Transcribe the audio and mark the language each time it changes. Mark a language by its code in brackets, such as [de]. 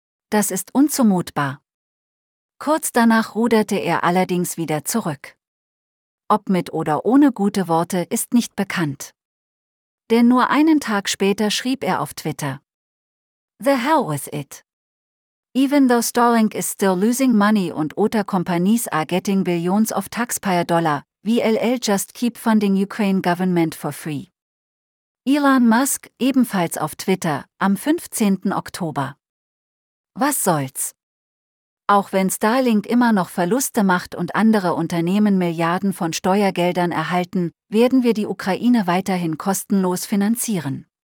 [de] Das ist unzumutbar. Kurz danach ruderte er allerdings wieder zurück. Ob mit oder ohne gute Worte, ist nicht bekannt. Denn nur einen Tag später schrieb er auf Twitter: [en] The hell with it. Even though Starlink is still losing money and other companies are getting billions of taxpayer dollar, VLL just keep funding Ukraine government for free. [de] Elon Musk, ebenfalls auf Twitter, am 15. Oktober: Was soll's? Auch wenn Starlink immer noch Verluste macht und andere Unternehmen Milliarden von Steuergeldern erhalten, werden wir die Ukraine weiterhin kostenlos finanzieren.